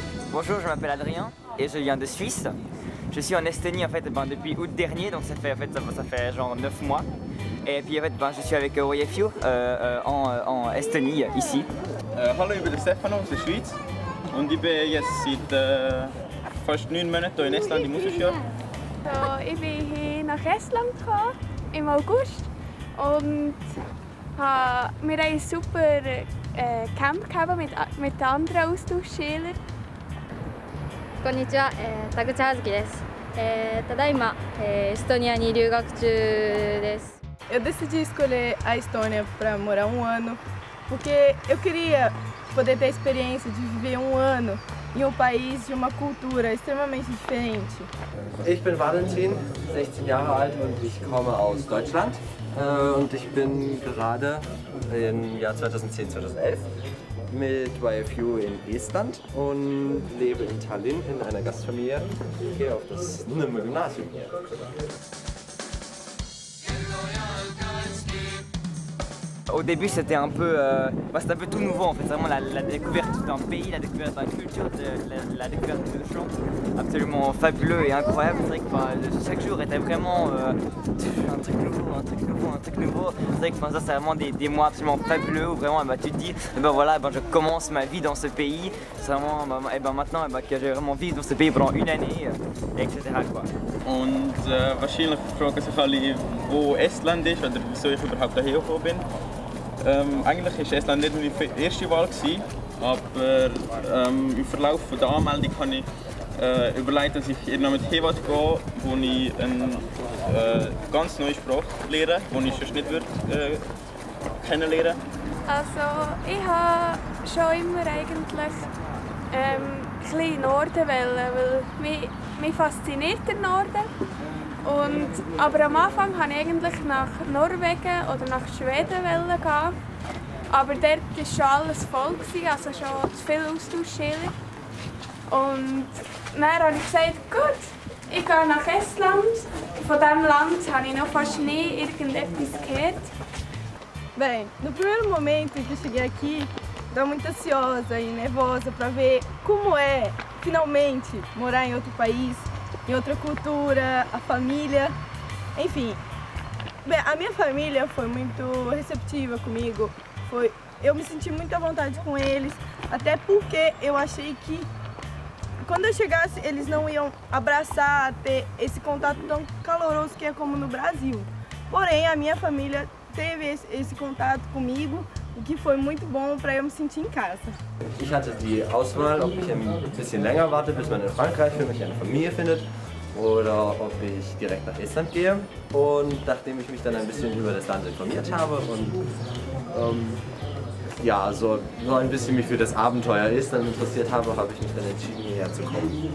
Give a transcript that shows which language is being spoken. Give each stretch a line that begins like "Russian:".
French: Bonjour, je m'appelle Adrien et je viens de Suisse. Je suis en Estonie en fait depuis août dernier, donc ça fait genre 9 mois. Et puis en fait je suis avec Oyefio en Estonie ici.
German: Hallo, ich bin Stefano, aus der Schweiz. Und ich bin jetzt seit fast 9 Monaten in Estland, die Musikschule. So, ich bin hier nach Estland gekommen im August und wir haben ein super Camp gehabt mit anderen Austauschschülern.
Japanese: こんにちは、田口葉月です。ただいま、エストニアに留学中です。
Portuguese: Eu decidi escolher a Estônia para morar um ano, porque eu queria poder ter a experiência de viver um ano em um país de uma cultura extremamente diferente.
German: Ich bin Valentin, 16 Jahre alt und ich komme aus Deutschland. Und ich bin gerade im Jahr 2010-2011 mit YFU in Estland und lebe in Tallinn in einer Gastfamilie und gehe auf das Nürnberger Gymnasium hier.
French: Au début, c'était un peu tout nouveau en fait, vraiment la découverte d'un pays, la découverte d'une culture, la découverte de gens absolument fabuleux et incroyable. C'est vrai que chaque jour était vraiment un truc nouveau. C'est vrai que ça, c'est vraiment des mois absolument fabuleux où vraiment tu te dis, je commence ma vie dans ce pays, c'est vraiment maintenant que j'ai vraiment vécu dans ce pays pendant une année, etc. quoi.
German: Und wahrscheinlich fragen sich alle, wo Estland ist oder wieso ich überhaupt hier gekommen bin. Eigentlich war Estland nicht meine erste Wahl, aber im Verlauf der Anmeldung habe ich überlegt, dass ich eher noch mit Hewat gehe, wo ich eine ganz neue Sprache lerne, die ich sonst nicht kennenlernen würde. Also, ich habe schon immer eigentlich ein bisschen Norden wollen, weil mich fasziniert der Norden. Aber am Anfang wollte ich eigentlich nach Norwegen oder nach Schweden gehen. Aber dort war schon alles voll, also schon zu viel Austauschschüler. Und dann habe ich gesagt, gut, ich gehe nach Estland. Von diesem Land habe ich noch fast nie irgendetwas gehört.
Portuguese: Bem, no primeiro momento que eu cheguei aqui, estou muito ansiosa e nervosa para ver como é finalmente morar em outro país, em outra cultura, a família, enfim. Bem, a minha família foi muito receptiva comigo. Eu me senti muito à vontade com eles, até porque eu achei que quando eu chegasse eles não iam abraçar, ter esse contato tão caloroso que é como no Brasil. Porém, a minha família teve esse contato comigo, o que foi muito bom para eu me sentir em casa.
German: Ich hatte die Auswahl, ob ich ein bisschen länger warte, bis man in Frankreich für mich eine Familie findet, oder ob ich direkt nach Estland gehe. Und nachdem ich mich dann ein bisschen über das Land informiert habe und so ein bisschen mich für das Abenteuer Estland interessiert habe, habe ich mich dann entschieden, hierher zu kommen.